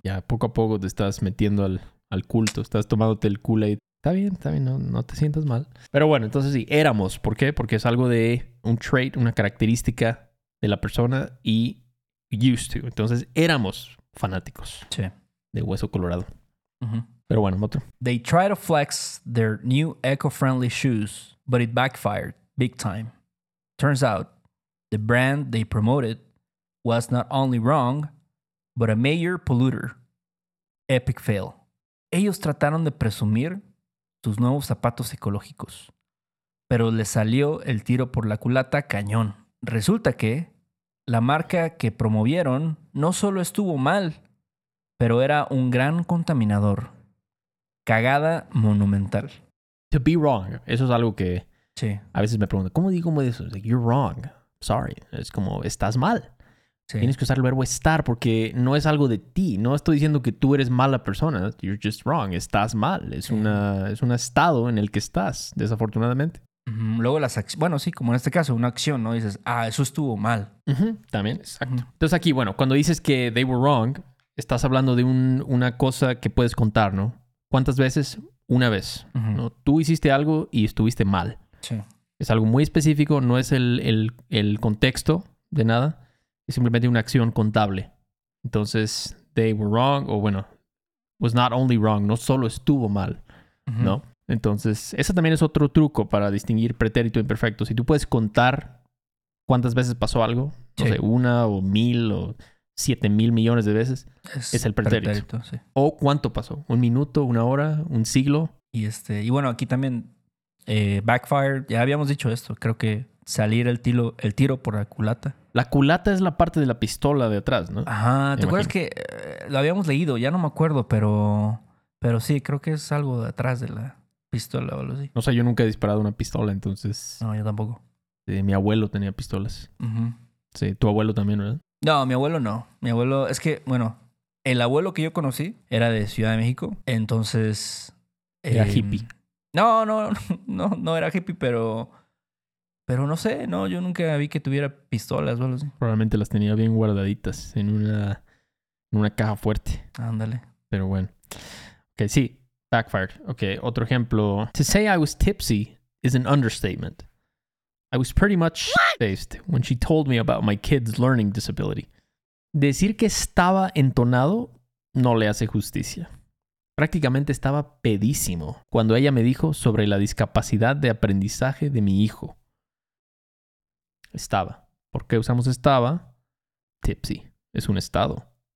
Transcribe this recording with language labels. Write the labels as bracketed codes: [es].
[es] Ya, poco a poco te estás metiendo al culto. Estás tomándote el Kool-Aid. Está bien, no te sientas mal. Pero bueno, entonces sí, éramos. ¿Por qué? Porque es algo de un trait, una característica de la persona y [en] used to. [es] Entonces, éramos fanáticos. Sí. De Hueso Colorado. Uh-huh. Pero bueno, otro. [en] They try to flex their new eco-friendly shoes, but it backfired big time. Turns out, the brand they promoted was not only wrong, but a major polluter. Epic fail. [es] Ellos trataron de presumir sus nuevos zapatos ecológicos, pero les salió el tiro por la culata cañón. Resulta que la marca que promovieron no solo estuvo mal, pero era un gran contaminador. Cagada monumental. [en] To be wrong. [es] Eso es algo que a veces me preguntan. ¿Cómo digo eso? [en] Like, you're wrong. Sorry. [es] Es como, estás mal. Sí. Tienes que usar el verbo estar porque no es algo de ti. No estoy diciendo que tú eres mala persona. [en] You're just wrong. [es] Estás mal. Es un estado en el que estás, desafortunadamente. Mm-hmm. Luego las acciones. Bueno, sí, como en este caso, una acción, ¿no? Dices, eso estuvo mal. Uh-huh. También, exacto. Uh-huh. Entonces aquí, bueno, cuando dices que [en] they were wrong, [es] estás hablando de una cosa que puedes contar, ¿no? ¿Cuántas veces? Una vez. Uh-huh. ¿No? Tú hiciste algo y estuviste mal. Sí. Es algo muy específico. No es el contexto de nada. Es simplemente una acción contable. Entonces, [en] they were wrong, [es] o bueno, [en] was not only wrong, [es] no solo estuvo mal, uh-huh. ¿No? Entonces, ese también es otro truco para distinguir pretérito e imperfecto. Si tú puedes contar cuántas veces pasó algo, no sé, una o mil o 7,000,000,000 de veces, es el pretérito. Pretérito, sí. O cuánto pasó, un minuto, una hora, un siglo. Y bueno, aquí también backfire, ya habíamos dicho esto, creo que salir el tiro por la culata. La culata es la parte de la pistola de atrás, ¿no? Ajá. ¿Te acuerdas que lo habíamos leído? Ya no me acuerdo, pero sí, creo que es algo de atrás de la pistola o algo así. O sea, yo nunca he disparado una pistola, entonces... No, yo tampoco. Sí, mi abuelo tenía pistolas. Uh-huh. Sí, tu abuelo también, ¿verdad? No, mi abuelo no. Mi abuelo... Es que, bueno, el abuelo que yo conocí era de Ciudad de México, entonces... Era hippie. No, era hippie, pero... Pero no sé, no, yo nunca vi que tuviera pistolas o algo así. Probablemente las tenía bien guardaditas en una caja fuerte. Ándale. Pero bueno. Ok, sí, backfired. Ok, otro ejemplo. [en] To say I was tipsy is an understatement. I was pretty much faced when she told me about my kid's learning disability. [es] Decir que estaba entonado no le hace justicia. Prácticamente estaba pedísimo cuando ella me dijo sobre la discapacidad de aprendizaje de mi hijo. Estaba. ¿Por qué usamos estaba? Tipsy. Es un estado.